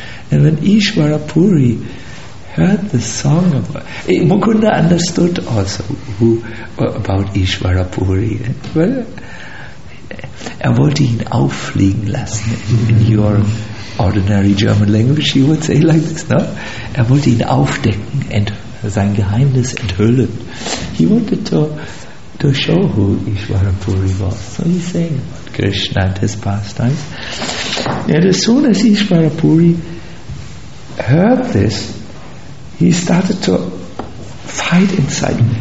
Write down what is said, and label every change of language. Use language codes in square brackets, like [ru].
[en] And when Ishvara Puri heard the song of Mukunda, understood also who about Ishvara Puri. [de] Well, er wollte ihn auffliegen lassen. [en] In your ordinary German language, you would say like this, no? [de] Er wollte ihn aufdecken und sein Geheimnis enthüllen. [en] He wanted to show who Ishvara Puri was. So he sang about Krishna and his pastimes. And as soon as Ishvara Puri heard this, he started to fight inside.